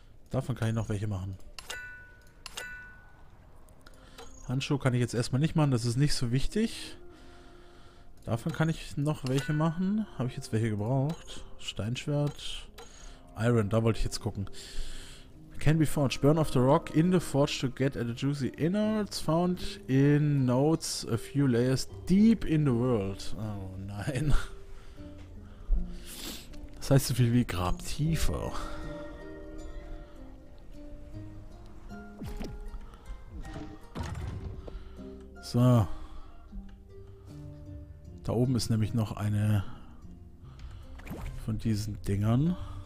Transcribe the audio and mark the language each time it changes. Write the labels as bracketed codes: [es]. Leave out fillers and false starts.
[de] Davon kann ich noch welche machen. Handschuhe kann ich jetzt erstmal nicht machen, das ist nicht so wichtig. Davon kann ich noch welche machen. Habe ich jetzt welche gebraucht? Steinschwert. Iron, da wollte ich jetzt gucken. [en] Can be forged. Burn off the rock in the forge to get at the juicy innards. Found in notes a few layers deep in the world. [de] Oh nein. Das heißt so viel wie Grabtiefe. So. Da oben ist nämlich noch eine von diesen Dingern.